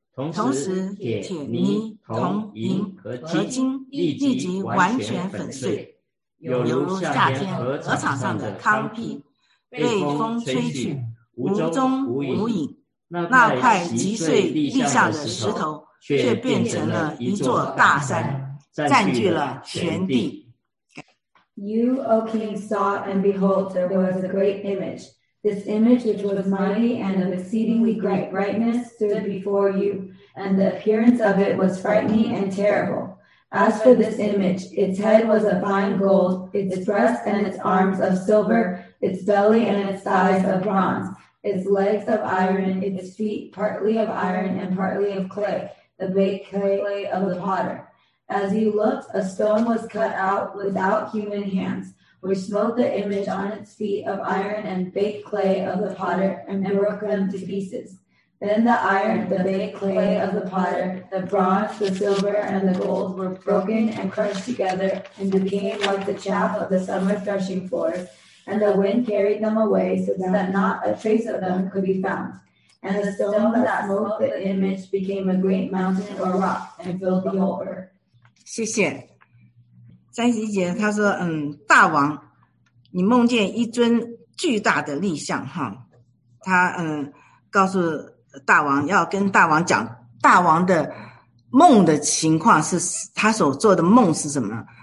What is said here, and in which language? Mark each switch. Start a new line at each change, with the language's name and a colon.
Chinese: 同时铁泥铜银和金立即完全粉碎，犹如夏天禾场上的糠秕被风吹去，无踪无影。那块击碎立像的石头却变成了一座大山，占据了全地。
English: You, O king, saw, and behold, there was a great image, This image, which was mighty and of exceedingly great brightness, stood before you, and the appearance of it was frightening and terrible. As for this image, its head was of fine gold, its breast and its arms of silver, its belly and its thighs of bronze, its legs of iron, its feet partly of iron and partly of clay, the baked clay of the potter. As you looked, a stone was cut out without human hands, which smote the image on its feet of iron and baked clay of the potter and broke them to pieces. Then the iron, the baked clay of the potter, the bronze, the silver, and the gold were broken and crushed together and became like the chaff of the summer threshing floor, and the wind carried them away so that not a trace of them could be found. And the stone that smote the image became a great mountain or rock and filled the whole earth.
Chinese: 谢谢。三十一节他说大王，你梦见一尊巨大的立像哈。他告诉大王，要跟大王讲大王的梦的情况，是他所做的梦是什么。